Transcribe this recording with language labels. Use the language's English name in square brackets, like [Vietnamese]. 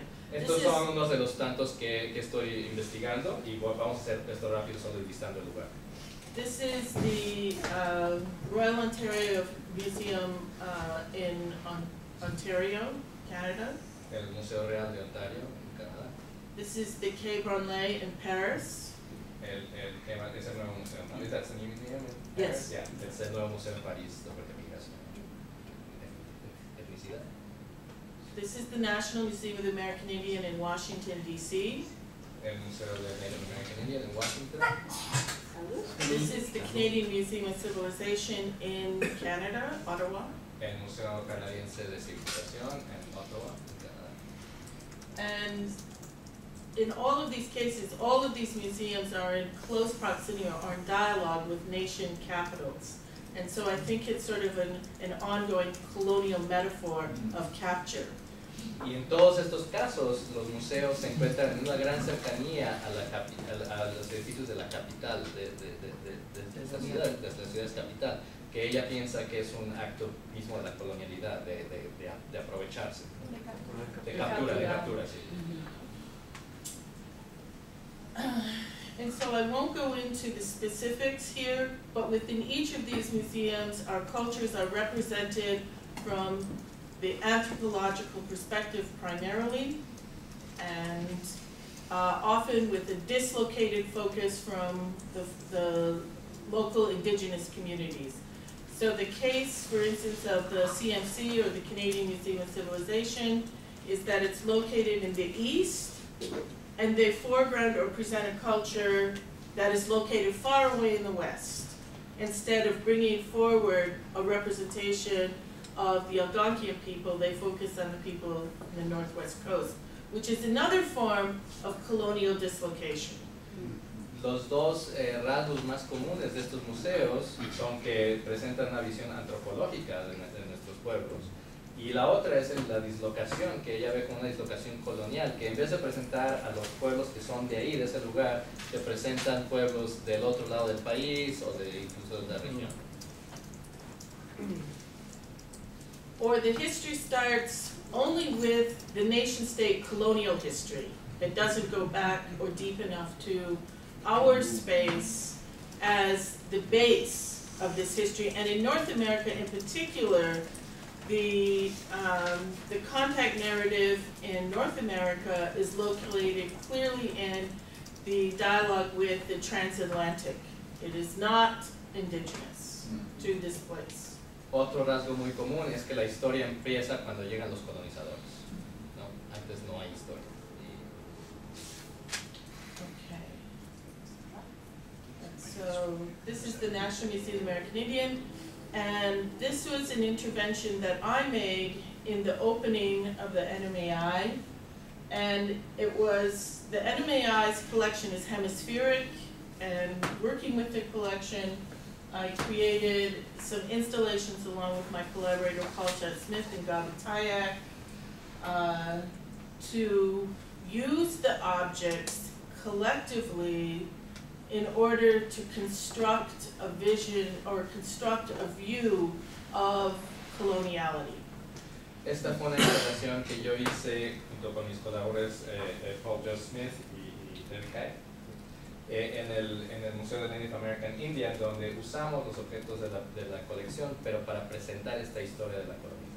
[Spanish] Estos son unos de los tantos que estoy investigando, y vamos a hacer esto rápido, solo listando el lugar. [English] This is the Royal Ontario Museum in Ontario, Canada. [Spanish] El Museo Real de Ontario, en Canadá. [English] This is the Quai Branly in Paris. [Spanish] El Quai Branly es el nuevo museo. ¿No? [English] Is that the new museum? Yes. [Spanish] Yeah, es el nuevo museo en París, después de migración. [English] This is the National Museum of the American Indian in Washington, D.C. [Spanish] El Museo de Native American Indian [English] in Washington. This is the Canadian Museum of Civilization in Canada, Ottawa. [Spanish] El Museo Canadiense de Civilización en Ottawa, Canadá. [English] And in all of these cases, all of these museums are in close proximity or are in dialogue with nation capitals. And so I think it's sort of an ongoing colonial metaphor of capture. [Spanish] Y en todos estos casos, los museos se encuentran en una gran cercanía a la a los edificios de la capital, de esta ciudad, de esta ciudad capital, que ella piensa que es un acto mismo de la colonialidad, de aprovecharse. De captura. De captura, de captura, sí. [English] And so I won't go into the specifics here, but within each of these museums, our cultures are represented from the anthropological perspective primarily, and often with a dislocated focus from the local indigenous communities. So the case, for instance, of the CMC, or the Canadian Museum of Civilization, is that it's located in the east, and they foreground or present a culture that is located far away in the west, instead of bringing forward a representation of the Algonquian people, they focus on the people in the Northwest Coast, which is another form of colonial dislocation. [Spanish] Los dos rasgos más comunes de estos museos son que presentan una visión antropológica de nuestros pueblos. Y la otra es la dislocación, que ella ve como una dislocación colonial, que en vez de presentar a los pueblos que son de ahí, de ese lugar, que presentan pueblos del otro lado del país o de incluso de la región. [English] Or the history starts only with the nation state colonial history. It doesn't go back or deep enough to our space as the base of this history. And in North America in particular, the contact narrative in North America is located clearly in the dialogue with the transatlantic. It is not indigenous to this place. [Spanish] Otro rasgo muy común es que la historia empieza cuando llegan los colonizadores. No, antes no hay historia. [English] Okay. And so this is the National Museum of the American Indian, and this was an intervention that I made in the opening of the NMAI, and it was the NMAI's collection is hemispheric, and working with the collection, I created some installations along with my collaborator Paul Chad Smith and Gabi Tayak to use the objects collectively in order to construct a vision or construct a view of coloniality. [Spanish] Esta fue una instalación que yo hice junto con mis colaboradores Paul Chad Smith y Derek Hay. En el Museo de Native American Indian, donde usamos los objetos de la colección, pero para presentar esta historia de la colonialidad.